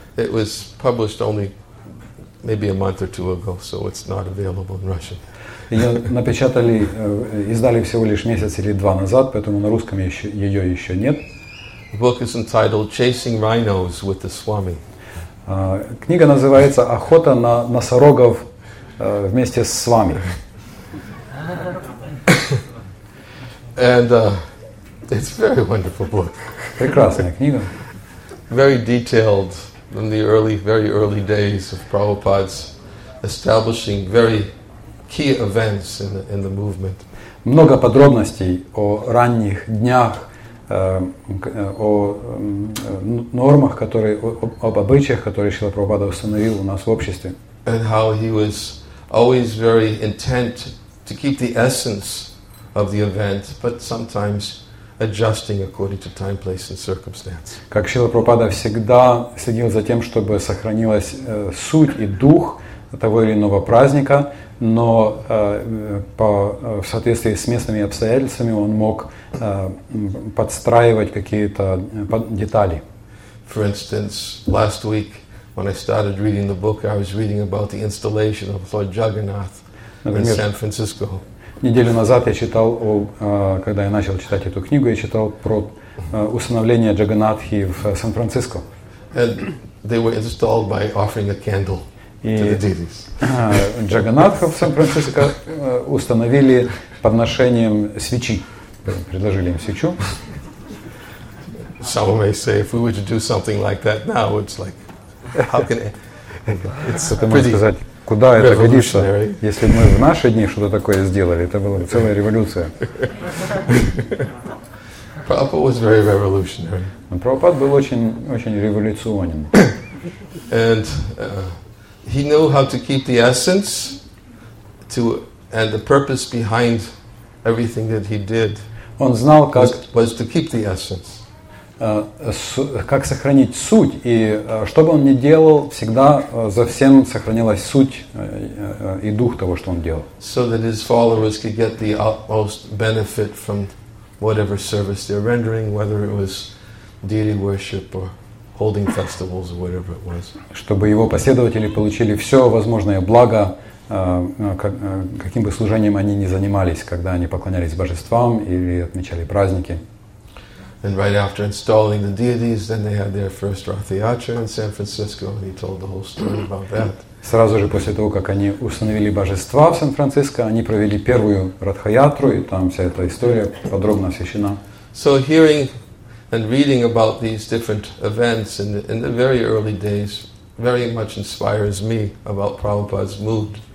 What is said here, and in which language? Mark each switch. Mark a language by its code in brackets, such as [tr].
[en] It was published only maybe a month or two ago, so it's not available in Russian. [ru] Ее напечатали, издали всего лишь месяц или два назад, поэтому на русском ее еще нет. [en] The book is entitled Chasing Rhinos with the Swami. [ru] Книга называется «Охота на носорогов вместе с Свами». [en] And it's a very wonderful book. [ru] Прекрасная книга. [en] Very detailed in the very early days of Prabhupada's establishing very key events in the movement. [ru] Много подробностей о ранних днях, о нормах, которые об обычаях, которые Шрила Прабхупада установил у нас в обществе. [en] And how he was always very intent to keep the essence of the event, but sometimes adjusting according to time, place, and circumstance. [ru] Как Шрила Прабхупада всегда следил за тем, чтобы сохранилась суть и дух того или иного праздника, но в соответствии с местными обстоятельствами он мог подстраивать какие-то детали. [en] For instance, last week, when I started reading the book, I was reading about the installation of Lord Jagannath in San Francisco. [ru] Неделю назад я читал, когда я начал читать эту книгу, я читал про установление Джаганнатхи в Сан-Франциско. [en] And they were installed by offering a candle to the deities. [ru] Джаганнатха в Сан-Франциско установили подношением свечи. Предложили им свечу. [en] Someone may say, if we were to do something like that now, it's like, how can it? It's pretty revolutionary. [ru] Куда это годится, если мы в наши дни что-то такое сделали? Это была целая революция. [en] Prabhupada was very revolutionary. [ru] Prabhupada был очень, очень революционен. [en] And he knew how to keep the essence to and the purpose behind everything that he did. [ru] Он знал, как [en] was to keep the essence. [ru] Как сохранить суть, и что бы он ни делал, всегда за всем сохранялась суть и дух того, что он делал. [en] So that his followers could get the utmost benefit from whatever service they're rendering, whether it was deity worship or holding festivals or whatever it was. [ru] Чтобы его последователи получили все возможное благо, каким бы служением они ни занимались, когда они поклонялись божествам или отмечали праздники. [en] And right after installing the deities, then they had their first Ratha Yatra in San Francisco, and he told the whole story about that. [ru] Сразу же после того, как они установили божества в Сан-Франциско, они провели первую Ратха Ятру, и там вся эта история подробно освещена. [en] So hearing and reading about these different events in the very early days very much inspires me about Prabhupada's mood.